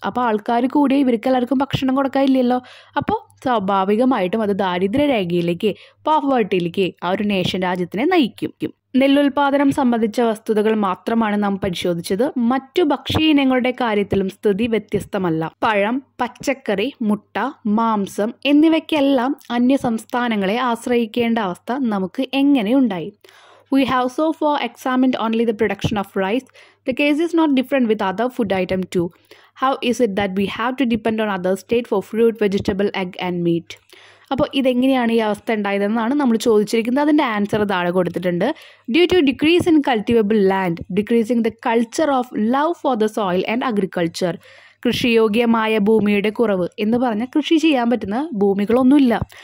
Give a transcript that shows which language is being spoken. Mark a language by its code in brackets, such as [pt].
[ml] അപ്പോൾ ആൾക്കാർ കൂടി ഇവർക്ക് എല്ലാവർക്കും ഭക്ഷണം കൊടുക്കാനില്ലല്ലോ. അപ്പോൾ സ്വാഭാവികമായിട്ടും അത് ദാരിദ്ര്യരേഖയിലേക്ക്, പോവേർട്ടിയിലേക്ക് ആ ഒരു നേഷൻ രാജ്യത്തിനെ നയിക്കും. നെല്ലുൽപാദനം സംബന്ധിച്ച വസ്തുതകൾ മാത്രമാണ് നാം പരിശോധിച്ചത്. മറ്റു ഭക്ഷ്യ ഇനങ്ങളുടെ കാര്യത്തിലും സ്ഥിതി വ്യത്യസ്തമല്ല. പഴം, പച്ചക്കറി, മുട്ട, മാംസം എന്നിവയ്ക്കെല്ലാം അന്യ സംസ്ഥാനങ്ങളെ ആശ്രയിക്കേണ്ട അവസ്ഥ നമുക്ക് എങ്ങനെ ഉണ്ടായി? [en] We have so far examined only the production of rice. The case is not different with other food item too. How is it that we have to depend on other state for fruit, vegetable, egg and meat? [ml] അപ്പോൾ ഇതെങ്ങനെയാണ് ഈ അവസ്ഥ ഉണ്ടായതെന്നാണ് നമ്മൾ ചോദിച്ചിരിക്കുന്നത്. അതിൻ്റെ answer താഴെ കൊടുത്തിട്ടുണ്ട്. [en] Due to decrease in cultivable land, decreasing the culture of love for the soil and agriculture. [ml] കൃഷിയോഗ്യമായ ഭൂമിയുടെ കുറവ് എന്ന് പറഞ്ഞാൽ കൃഷി ചെയ്യാൻ പറ്റുന്ന ഭൂമികളൊന്നുമില്ല.